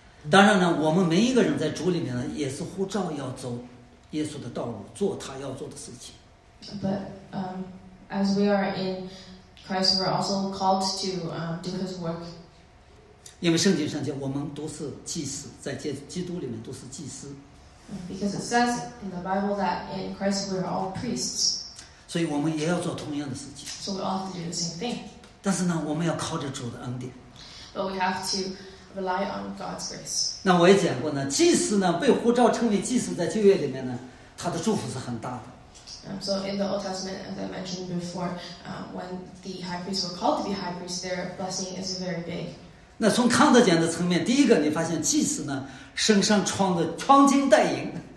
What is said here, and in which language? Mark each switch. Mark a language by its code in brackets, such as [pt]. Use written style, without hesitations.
[zh] 当然呢，我们每一个人在主里面呢，也是呼召要走耶稣的道路，做他要做的事情。 [en] But as we are in Christ, we're also called to do His work. [zh] 因为圣经上讲，我们都是祭司，在基督里面都是祭司。 [en] Because it says in the Bible that in Christ we are all priests. [zh] 所以我们也要做同样的事情。 [en] So we all have to do the same thing. [zh] 但是呢，我们要靠着主的恩典。 [en] But we have to rely on God's grace. [zh] 那我也讲过呢，祭司呢被呼召成为祭司，在旧约里面呢，他的祝福是很大的。 [en] So in the Old Testament, as I mentioned before, when the high priests were called to be high priests, their blessing is very big. [zh] 那从看得见的层面，第一个你发现祭司呢身上穿的穿金戴银。